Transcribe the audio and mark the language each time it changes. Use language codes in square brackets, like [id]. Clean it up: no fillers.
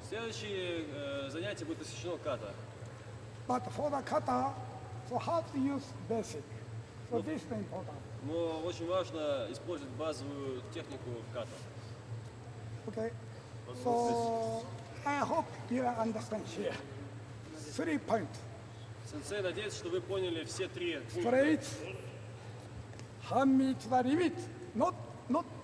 [ru] Следующее занятие будет посвящено ката. [en] But for the kata, so how to use basic. So this is important. [ru] Но очень важно использовать базовую технику ката. [en] Okay. So I hope you understand here. Yeah. Three points. [ru] Сенсей, надеюсь, что вы поняли все три. [en] Straight. Hand me to the limit. Not little.